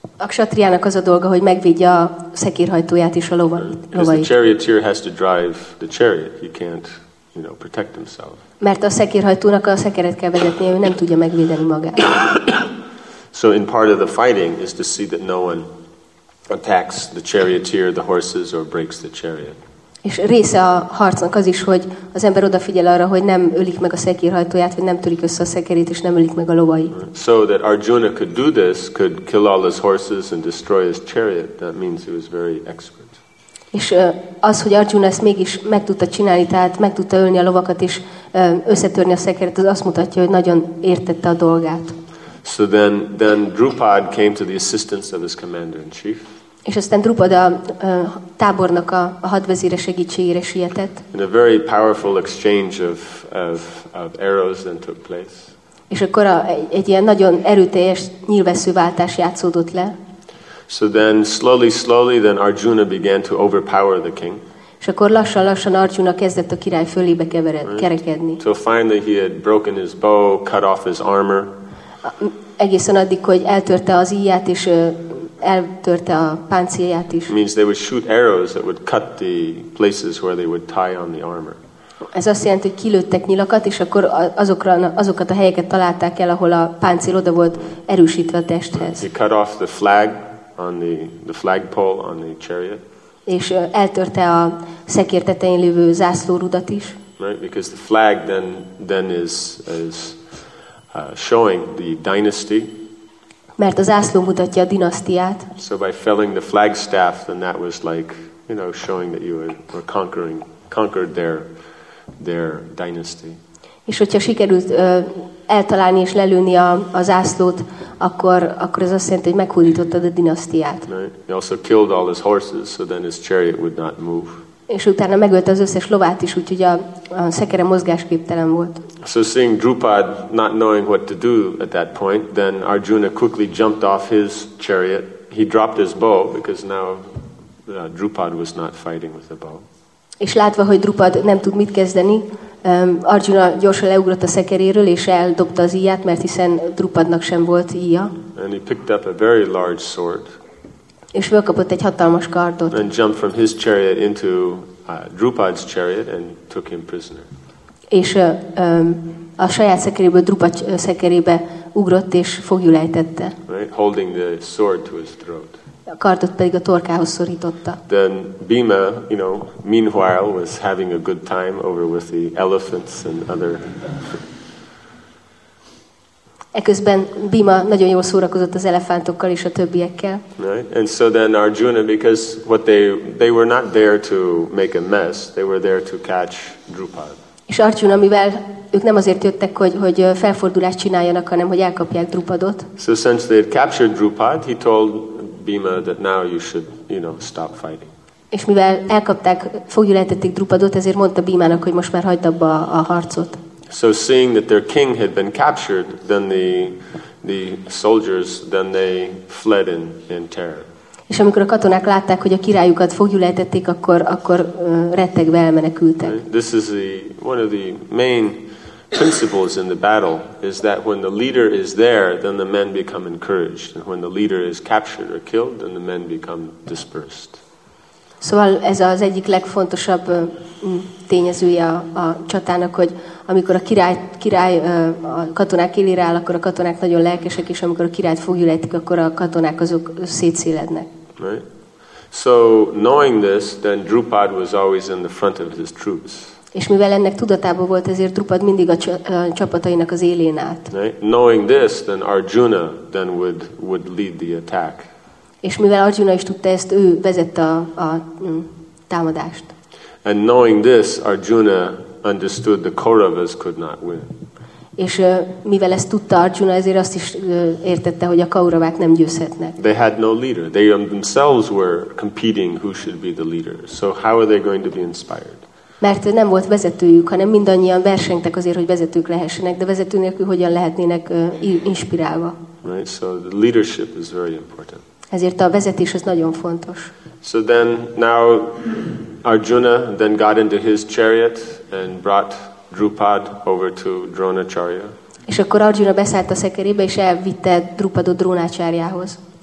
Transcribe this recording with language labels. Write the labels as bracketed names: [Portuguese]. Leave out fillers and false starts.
[Hungarian] A kshatriának az a dolga, hogy megvédje a szekérhajtóját és a lovait. [English] Because the charioteer has to drive the chariot, he can't, you know, protect himself. [Hungarian] Mert a szekérhajtónak a szekeret kell vezetnie, ő nem tudja megvédeni magát. [English] So in part of the fighting is to see that no one attacks the charioteer, the horses, or breaks the chariot. [Hungarian] És része a harcnak az is, hogy az ember odafigyel arra, hogy nem ölik meg a szekérhajtóját, vagy nem törik össze a szekerét, és nem ölik meg a lovait. [English] So that Arjuna could do this, could kill all his horses and destroy his chariot, that means he was very expert. [Hungarian] És az, hogy Arjuna ezt mégis meg tudta csinálni, tehát meg tudta ölni a lovakat és összetörni a szekeret, az azt mutatja, hogy nagyon értette a dolgát. [English] So then Drupad came to the assistance of his commander-in-chief. [Hungarian] És aztán Drupad a tábornak a hadvezére segítségére sietett. [English] And a very powerful exchange of arrows then took place. [Hungarian] És akkor egy ilyen nagyon erőteljes nyílveszőváltás játszódott le. [English] So then slowly then Arjuna began to overpower the king. [Hungarian] És akkor lassan-lassan Arjuna kezdett a király fölébe kerekedni. [English] So finally he had broken his bow, cut off his armor. [Hungarian] Egészen addig, hogy eltörte az íját és eltörte a páncélját is. [English] Means they would shoot arrows that would cut the places where they would tie on the armor. [Hungarian] Ez azt jelenti, hogy kilőttek nyilakat, és akkor azokat a helyeket találták el, ahol a páncél oda volt erősítve a testhez. [English] He cut off the flag on the flagpole on the chariot. [Hungarian] És eltörte a szekér tetején lévő zászlórudat is. [English] Right, because the flag then is showing the dynasty. [Hungarian] Mert a zászló mutatja a dinasztiát. [English] So by felling the flagstaff, then that was like, you know, showing that you were conquered their dynasty. [Hungarian] És hogyha sikerült eltalálni és lelőni a zászlót, akkor ez azt jelenti, hogy meghódítottad a dinasztiát. [English] Right. He also killed all his horses, so then his chariot would not move. [Hungarian] És utána megölte az összes lovát is, úgyhogy a szekere mozgásképtelen volt. [English] So seeing Drupad not knowing what to do at that point, then Arjuna quickly jumped off his chariot. He dropped his bow because now Drupad was not fighting with the bow. [Hungarian] És látva, hogy Drupad nem tud mit kezdeni, Arjuna gyorsan leugrott a szekeréről és eldobta az íját, mert hiszen Drupadnak sem volt íja. [English] And he picked up a very large sword. [Hungarian] És fölkapott egy hatalmas kardot. [English] And jumped from his chariot into Drupad's chariot and took him prisoner. [Hungarian] És a saját szekeréből Drupad szekerébe ugrott és fogjul ejtette. [English] Right, holding the sword to his throat. [Hungarian] A kardot pedig a torkához szorította. [English] Then Bhima, you know, meanwhile was having a good time over with the elephants and other. [Hungarian] Eközben Bhima nagyon jól szórakozott az elefántokkal és a többiekkel. [English] Right? And so then Arjuna, because what they were not there to make a mess, they were there to catch Drupad. [Hungarian] És Arjuna, mivel ők nem azért jöttek, hogy felfordulást csináljanak, hanem hogy elkapják Drupadot. [English] So since they had captured Drupad, he told Bhima that now you should, you know, stop fighting. [Hungarian] És mivel elkapták, fogjul ejtették Drupadot, ezért mondta Bhimának, hogy most már hagyd abba a harcot. [English] So seeing that their king had been captured, then the soldiers then they fled in terror. [Hungarian] És amikor a katonák látták, hogy a királyukat fogjul ejtették, akkor rettegve elmenekültek. [English] Right? This is one of the main principles in the battle is that when the leader is there, then the men become encouraged, and when the leader is captured or killed, then the men become dispersed. [Hungarian] Szóval ez az egyik legfontosabb tényezője a csatának, hogy amikor a király a katonák élére áll, akkor a katonák nagyon lelkesek, és amikor a királyt fogjul ejtik, akkor a katonák azok szétszélednek. [English] Right. So knowing this, then Drupad was always in the front of his troops. [Hungarian] És mivel ennek tudatában volt, ezért Drupad mindig a csapatainak az élén állt. [English] Right. Knowing this, then Arjuna then would lead the attack. [Hungarian] És mivel Arjuna is tudta ezt, ő vezette a támadást. [English] And knowing this, Arjuna understood the Kauravas could not win. [Hungarian] És mivel ezt tudta Arjuna, ezért azt is értette, hogy a Kauravák nem győzhetnek. [English] They had no leader. They themselves were competing who should be the leader. So how are they going to be inspired? [Hungarian] Mert nem volt vezetőjük, hanem mindannyian versengtek azért, hogy vezetők lehessenek, de vezető nélkül hogyan lehetnének inspirálva. [English] Right, so the leadership is very important. [Hungarian] Ezért a vezetés az nagyon fontos. [English] So then now Arjuna then got into his chariot and brought Drupad over to Dronacharya. [Hungarian] És akkor Arjuna beszállt a szekerébe és elvitte Drupadot Drónácsárjához.